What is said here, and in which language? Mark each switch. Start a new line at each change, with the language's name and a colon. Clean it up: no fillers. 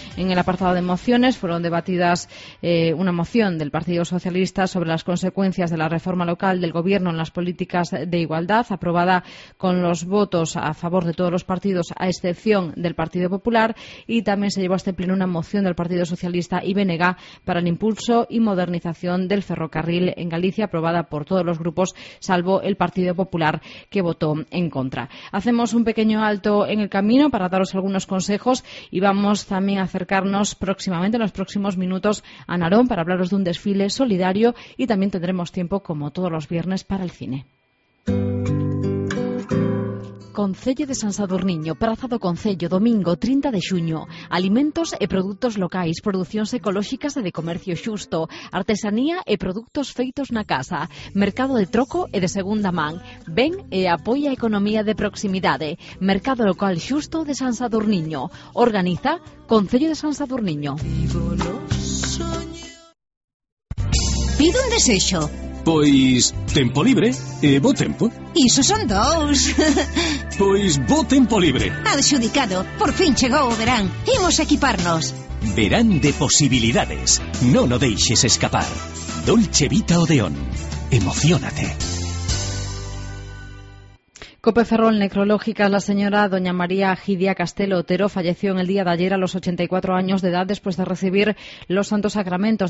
Spanish: En el apartado de mociones fueron debatidas una moción del Partido Socialista sobre las consecuencias de la reforma local del Gobierno en las políticas de igualdad, aprobada con los votos a favor de todos los partidos a excepción del Partido Popular, y también se llevó a este pleno una moción del Partido Socialista y BNG para el impulso y modernización del ferrocarril en Galicia, aprobada por todos los grupos salvo el Partido Popular, que votó en contra. Hacemos un pequeño alto en el camino para daros algunos consejos y vamos también a acercarnos próximamente, en los próximos minutos, a Narón para hablaros de un desfile solidario y también tendremos tiempo, como todos los viernes, para el cine.
Galician: Concello de San Sadurniño, Praza do Concello, domingo 30 de xuño. Alimentos e produtos locais, producións ecolóxicas e de comercio xusto, artesanía e produtos feitos na casa, mercado de troco e de segunda man. Ven e apoia a economía de proximidade. Mercado local xusto de San Sadurniño. Organiza Concello de San Sadurniño. Pido un desexo. Pois, tempo libre e bo tempo. Iso son dous. Pois, bo tempo libre. Adxudicado, por fin chegou o verán. Imos equiparnos. Verán de posibilidades. Non o deixes escapar. Dolce Vita Odeón. Emocionate.
Spanish: COPE Ferrol Necrológica. La señora doña María Gidia Castelo Otero falleció en el día de ayer a los 84 años de edad después de recibir los santos sacramentos.